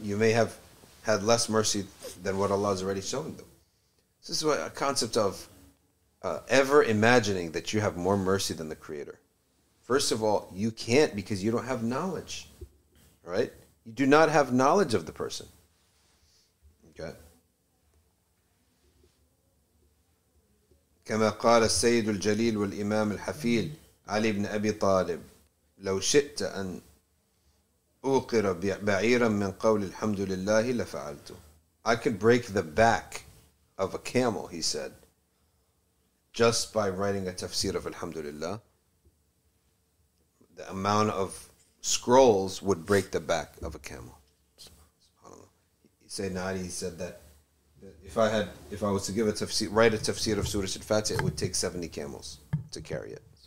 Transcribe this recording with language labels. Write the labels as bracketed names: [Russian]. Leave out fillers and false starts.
[English] You may have had less mercy than what Allah has already shown them. This is what a concept of ever imagining that you have more mercy than the Creator. First of all, you can't because you don't have knowledge. Right? You do not have knowledge of the person. Okay. [Arabic] كما قال السيد الجليل والإمام الحفيد علي بن أبي طالب لو شئت أن أوقر بعيرا من قول الحمد لله لفعلته. [English] I could break the back of a camel, he said, just by writing a tafsir of Alhamdulillah. The amount of scrolls would break the back of a camel. SubhanAllah. Sayyidina Ali said that if I was to give a tafsir, write a tafsir of Surah Al-Fatiha, it would take 70 camels to carry it.